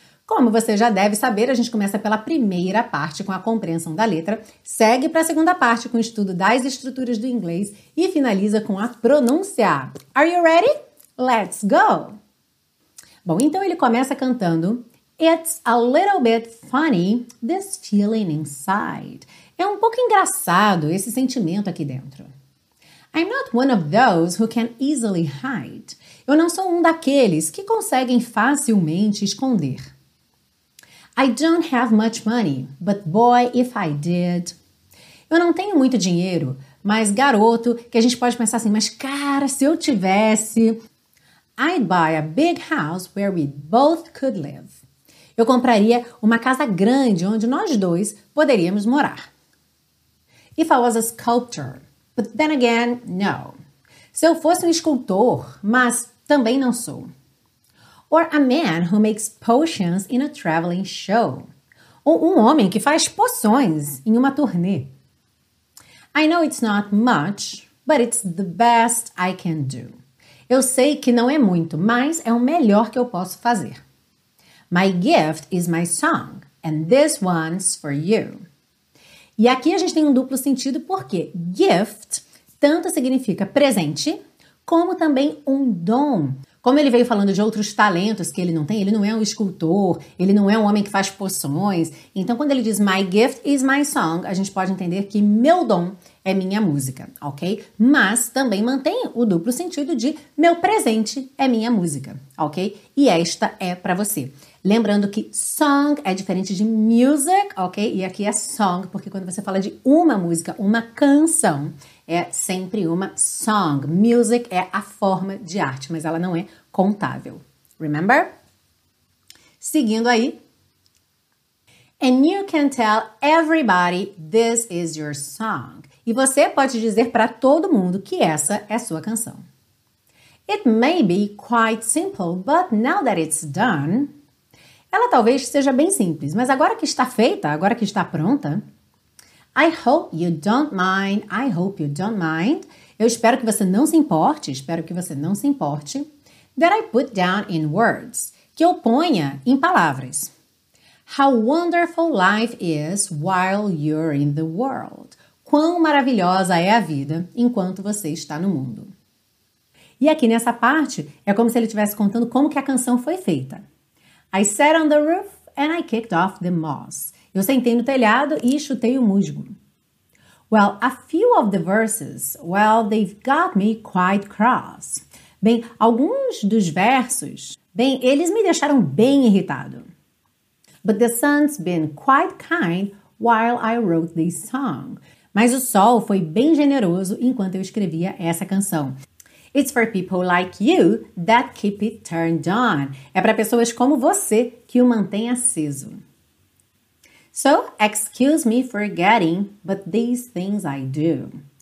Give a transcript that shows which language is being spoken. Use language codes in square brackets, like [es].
[pt] Como você já deve saber, a gente começa pela primeira parte com a compreensão da letra, segue para a segunda parte com o estudo das estruturas do inglês e finaliza com a pronúncia. [en] Are you ready? Let's go! [pt] Bom, então ele começa cantando: [en] It's a little bit funny, this feeling inside. [pt] É um pouco engraçado esse sentimento aqui dentro. [en] I'm not one of those who can easily hide. [pt] Eu não sou um daqueles que conseguem facilmente esconder. [en] I don't have much money, but boy, if I did. [pt] Eu não tenho muito dinheiro, mas garoto, que a gente pode pensar assim, mas cara, se eu tivesse. [en] I'd buy a big house where we both could live. [pt] Eu compraria uma casa grande onde nós dois poderíamos morar. [en] If I was a sculptor, but then again, no. [pt] Se eu fosse um escultor, mas também não sou. [en] Or a man who makes potions in a traveling show. [pt] Ou um homem que faz poções em uma turnê. [en] I know it's not much, but it's the best I can do. [pt] Eu sei que não é muito, mas é o melhor que eu posso fazer. [en] My gift is my song, and this one's for you. [pt] E aqui a gente tem um duplo sentido, porque gift tanto significa presente, como também um dom. Como ele veio falando de outros talentos que ele não tem, ele não é um escultor, ele não é um homem que faz poções. Então, quando ele diz [en] my gift is my song, [pt] a gente pode entender que meu dom é minha música, ok? Mas também mantém o duplo sentido de meu presente é minha música, ok? E esta é para você. Lembrando que song é diferente de music, ok? E aqui é song, porque quando você fala de uma música, uma canção, é sempre uma song. Music é a forma de arte, mas ela não é contável. [en] Remember? [pt] Seguindo aí. [en] And you can tell everybody this is your song. [pt] E você pode dizer para todo mundo que essa é sua canção. [en] It may be quite simple, but now that it's done. [pt] Ela talvez seja bem simples, mas agora que está feita, agora que está pronta. [en] I hope you don't mind, I hope you don't mind. [pt] Eu espero que você não se importe, espero que você não se importe. [en] That I put down in words, [pt] que eu ponha em palavras. [en] How wonderful life is while you're in the world. [pt] Quão maravilhosa é a vida enquanto você está no mundo. E aqui nessa parte, é como se ele estivesse contando como que a canção foi feita. [en] I sat on the roof and I kicked off the moss. [pt] Eu sentei no telhado e chutei o musgo. [en] Well, a few of the verses, well, they've got me quite cross. [pt] Bem, alguns dos versos, bem, eles me deixaram bem irritado. [en] But the sun's been quite kind while I wrote this song. [pt] Mas o sol foi bem generoso enquanto eu escrevia essa canção. [en] It's for people like you that keep it turned on. [pt] É para pessoas como você que o mantém aceso. [en] So, excuse me for getting, but these things I do.